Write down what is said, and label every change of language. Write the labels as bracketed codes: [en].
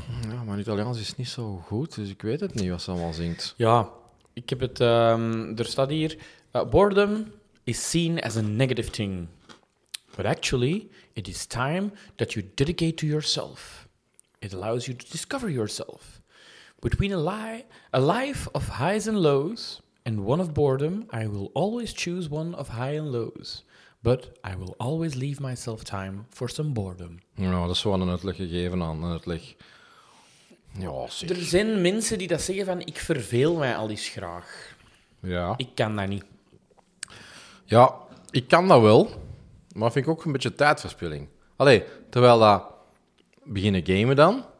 [nl] Ja, maar Italiaans is niet zo goed, dus ik weet het niet wat ze allemaal zingt. Ja, ik heb het... Er staat hier... [en] boredom is seen as a negative thing. But actually, it is time that you dedicate to yourself. It allows you to discover yourself. Between a life of highs and lows and one of boredom, I will always choose one of high and lows. But I will always leave myself time for some boredom. [nl] Nou, dat is wel een uitleg gegeven aan een uitleg. Ja, zeg. Er zijn mensen die dat zeggen van, ik verveel mij al eens graag. Ja. Ik kan dat niet. Ja, ik kan dat wel. Maar vind ik ook een beetje tijdverspilling. Allee, terwijl dat beginnen gamen dan.